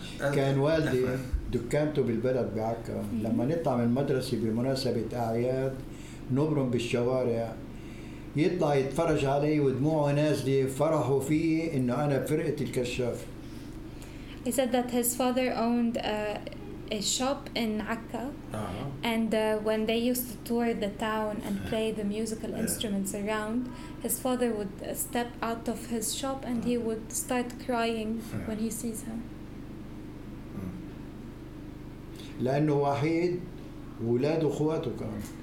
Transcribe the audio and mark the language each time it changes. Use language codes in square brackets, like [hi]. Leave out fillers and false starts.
[ar] كان والدي دكانته بالبلد بعكا. لما نطلع من المدرسة بمناسبة أعياد نبرم بالشوارع يطلع يتفرج علي ودموعه نازلة فرحوا فيه إنه أنا بفرقة الكشاف. [en] He said that his father owned a shop in Akka, and when they used to tour the town and play the musical instruments around, his father would step out of his shop and he would start crying when he sees him. [ar] لأنه وحيد ولاد أخواته كان.